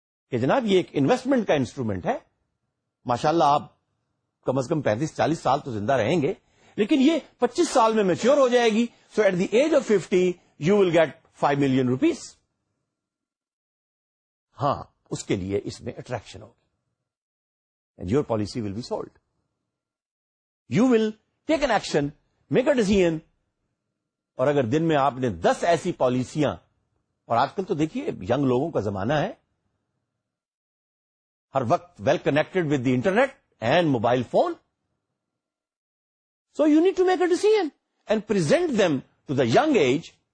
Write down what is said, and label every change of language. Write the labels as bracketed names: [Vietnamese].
[Urdu] کہ جناب یہ ایک انویسٹمنٹ کا انسٹرومنٹ ہے, ماشاءاللہ آپ کم از کم 35-40 سال تو زندہ رہیں گے, لیکن یہ 25 سال میں میچیور ہو جائے گی, [English] so at the age of 50 you will get 5 million [Urdu] rupees. ہاں, اس کے لیے اس میں اٹریکشن ہوگی [English] And your policy will be sold. You will take an action, make a decision. [Urdu] اور اگر دن میں آپ نے 10 ایسی پالیسیاں, اور آج کل تو دیکھیے ینگ لوگوں کا زمانہ ہے, ہر وقت [English] Well connected with the internet and mobile phone, so you need to make a decision and present them to the young age.